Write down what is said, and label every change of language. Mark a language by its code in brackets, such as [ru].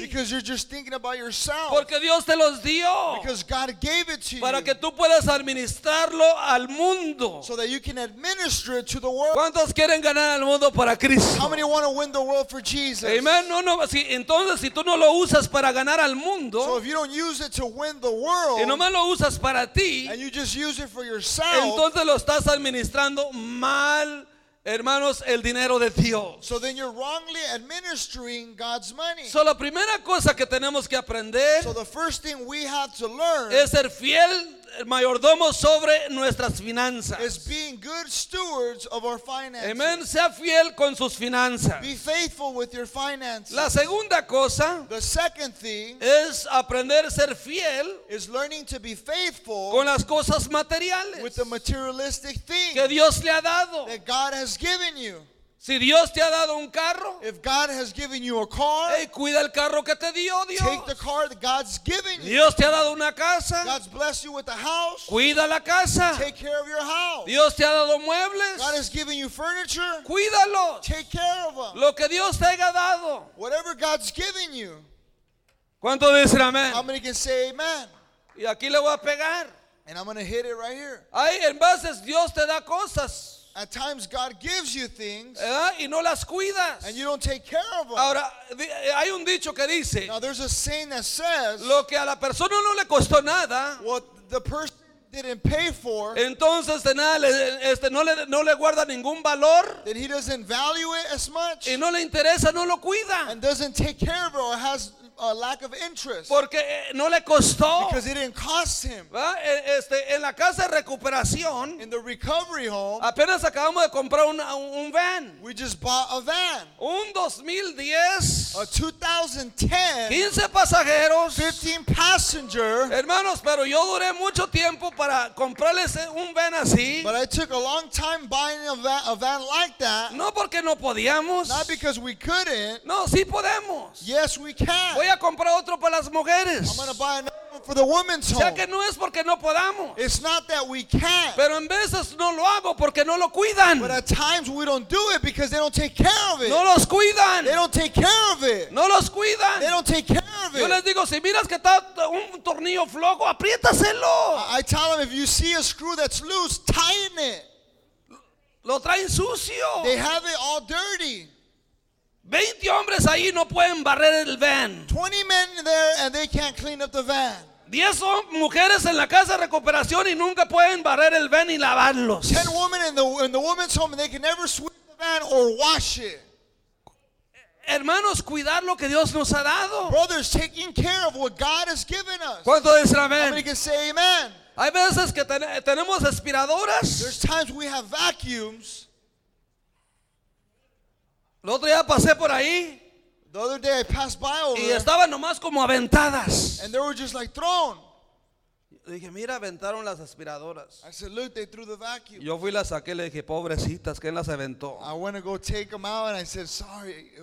[en] Because you're just thinking about yourself. [es] Porque Dios te los dio. [en] Because God gave it to you. [es] Para que tú puedas administrarlo al mundo. [en] So that you can administer it to the world. [es] ¿Cuántos quieren ganar al mundo para Cristo? [en] How many want to win the world for Jesus? [es] Amen. No, no. Si, entonces, si tú no lo usas para ganar al mundo. [en] So if you don't use it to win the world. [es] Y nomás lo usas para ti. [en] And you just use it for yourself. [es] Entonces lo estás administrando mal. Hermanos, el dinero de Dios. [en] So then you're wrongly administering God's money. [es] So la primera cosa que tenemos que aprender, [en] so the first thing we have to learn, [es] es ser fiel mayordomo sobre nuestras finanzas. [en] Is being good stewards of our finances. Amen. [es] Sea fiel con sus finanzas. [en] Be faithful with your finances. [es] La segunda cosa, [en] the second thing, [es] es aprender a ser fiel, [en] is learning to be faithful, [es] con las cosas materiales, [en] with the materialistic things [es] que Dios le ha dado, [en] that God has given you. [es] Si Dios te ha dado un carro, [en] if God has given you a car, [es] hey, cuida el carro que te dio Dios. [en] Take the car that God's given you. [es] Dios te ha dado una casa, [en] God's blessed you with a house. [es] Cuida la casa. [en] Take care of your house. [es] Dios te ha dado muebles, [en] God has given you furniture. [es] Cuídalo. [en] Take care of them. [es] Lo que Dios te haya dado. [en] Whatever God's given you. [es] ¿Cuánto dicen amén? [en] How many can say amen? [es] Y aquí le voy a pegar. [en] And I'm going to hit it right here. [es] Ay, en bases Dios te da cosas. [en] At times God gives you things, [es] ¿verdad? Y no las cuidas. [en] And you don't take care of them. [es] Ahora, hay un dicho que dice, [en] now there's a saying that says, [es] lo que a la persona no le costó nada, [en] what the person didn't pay for, [es] entonces de nada, no le guarda ningún valor, [en] then he doesn't value it as much, [es] y no le interesa, no lo cuida, [en] and doesn't take care of it or has a lack of interest. [es] Porque no le costó. [en] Because it didn't cost him. [es] En la casa de recuperación, [en] in the recovery home, [es] apenas acabamos de comprar un van. [en] We just bought a van. [es] Un 2010. [en] A 2010. [es] 15 pasajeros. [en] 15 passenger. [es] Hermanos, pero yo duré mucho tiempo para comprarles un van así. [en] But I took a long time buying a van like that. [es] No porque no podíamos. [en] Not because we couldn't. [es] No, sí podemos. [en] Yes, we can. [es] Voy a comprar otro para las mujeres. [en] I'm going to buy another one for the women's home. [es] Ya que no es porque no podamos. [en] It's not that we can't. [es] Pero en veces no lo hago porque no lo cuidan. [en] But at times we don't do it because they don't take care of it. [es] No los cuidan. [en] They don't take care of it. [es] No los cuidan. [en] They don't take care of it. [es] Yo les digo, si miras que está un tornillo flojo, apriétaselo. [en] I tell them, if you see a screw that's loose, tighten it. [es] Lo traen sucio. [en] They have it all dirty. [es] 20 hombres ahí no pueden barrer el van. [en] 20 men there and they can't clean up the van. [es] 10 mujeres en la casa de recuperación y nunca pueden barrer el van y lavarlos. [en] 10 women in the woman's home and they can never sweep the van or wash it. [es] Hermanos, cuidar lo que Dios nos ha dado. [en] Brothers, taking care of what God has given us. [es] ¿Cuánto dicen amén? [en] How many can say amen? [es] Hay veces que tenemos aspiradoras. [en] There's times we have vacuums. [es] El otro día pasé por ahí. [en] The other day I passed by over. [es] Y estaban nomás como aventadas. [en] And they were just like thrown. [es] Dije, mira, aventaron las aspiradoras. [en] I said, look, they threw the vacuum. [es] Yo fui y las saqué, le dije, pobrecitas, ¿quién las aventó? [en] I went to go take them out and I said, sorry.